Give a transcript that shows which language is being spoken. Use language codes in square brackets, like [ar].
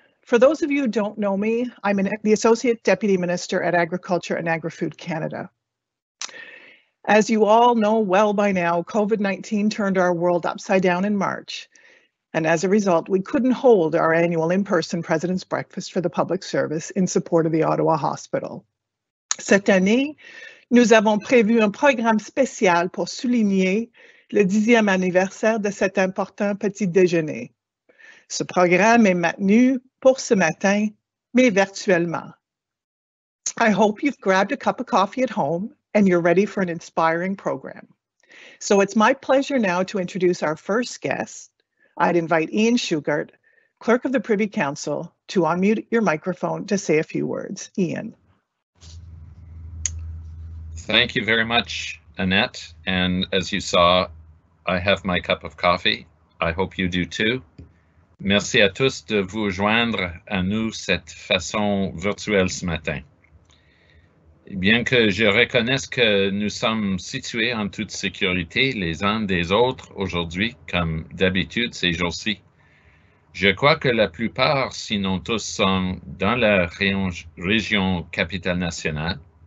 [en] For those of you who don't know me, I'm the Associate Deputy Minister at Agriculture and Agri-Food Canada. As you all know well by now, COVID-19 turned our world upside down in March. And as a result, we couldn't hold our annual in-person President's Breakfast for the Public Service in support of the Ottawa Hospital. [fr] Cette année, nous avons prévu un programme spécial pour souligner le 10e anniversaire de cet important petit déjeuner. Ce programme est maintenu pour ce matin, mais virtuellement. [en] I hope you've grabbed a cup of coffee at home and you're ready for an inspiring program. So it's my pleasure now to introduce our first guest. I'd invite Ian Shugart, Clerk of the Privy Council, to unmute your microphone to say a few words. Ian. Thank you very much, Annette. And as you saw, I have my cup of coffee. I hope you do too. [fr] Merci à tous de vous joindre à nous cette façon virtuelle ce matin. Bien que je reconnaisse que nous sommes situés en toute sécurité les uns des autres aujourd'hui, comme d'habitude ces jours-ci, je crois que la plupart, sinon tous, sont dans la région capitale nationale.